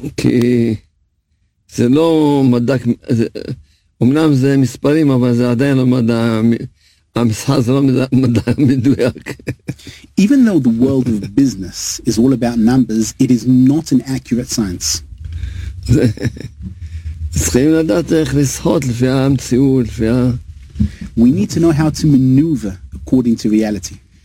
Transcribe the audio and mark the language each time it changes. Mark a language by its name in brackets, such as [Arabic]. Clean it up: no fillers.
[Hebrew] כי זה לא מדע, אמנם זה מספרים, אבל זה עדיין לא מדע, המסחר זה לא מדע מדויק. [English] Even though the world of business is all about numbers, it is not an accurate science. [Hebrew] צריכים לדעת איך לשחות לפי המציאות, לפי ה... [English] We need to know how to maneuver according to reality.